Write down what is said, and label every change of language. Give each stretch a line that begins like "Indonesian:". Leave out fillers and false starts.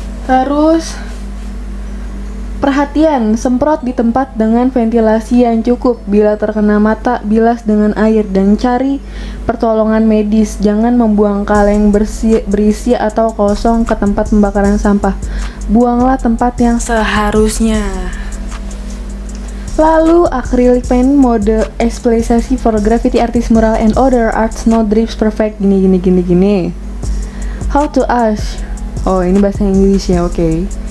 Indonesian: Terus perhatian, semprot di tempat dengan ventilasi yang cukup. Bila terkena mata, bilas dengan air dan cari pertolongan medis. Jangan membuang kaleng berisi atau kosong ke tempat pembakaran sampah. Buanglah tempat yang seharusnya. Lalu
English: acrylic paint mode specialty for graffiti artist mural and other arts, no drips perfect,
Indonesian: gini.
English: How to ask?
Indonesian: Oh, ini bahasa Inggris ya, okay.